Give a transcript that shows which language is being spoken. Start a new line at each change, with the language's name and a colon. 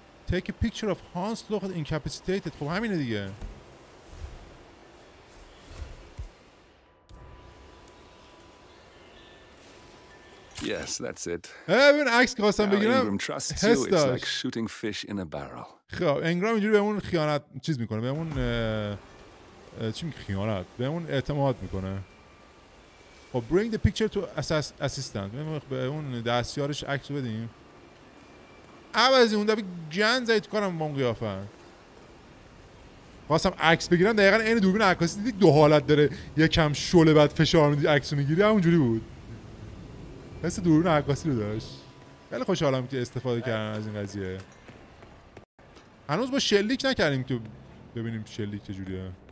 English: Take a picture of Hans Loch incapacitated.
Persian: خب همینه دیگه.
English: Yes, that's it.
Persian: ببین عکس خواستم بگیرم.
English: It's like shooting fish in a barrel.
Persian: خب انگرام اینجوری بهمون خیانت چیز میکنه. بهمون چی میگه خیانت؟ بهمون اعتماد میکنه.
English: خب bring the picture to assistant.
Persian: به اون دستیارش عکس بدیم. عوضی اون دفعه گند زدی تو کارم با اون قیافه. واسم عکس بگیرم دقیقا این دوربین عکاسی دیدی دو حالت داره. یکم شله بعد فشار میدی عکسو میگیری. همونجوری بود. حس دوربین عکاسی رو داشت. خیلی خوشحالم که استفاده کردم از این قضیه. هنوز با شلیک نکردیم که ببینیم شلیک چجوریه.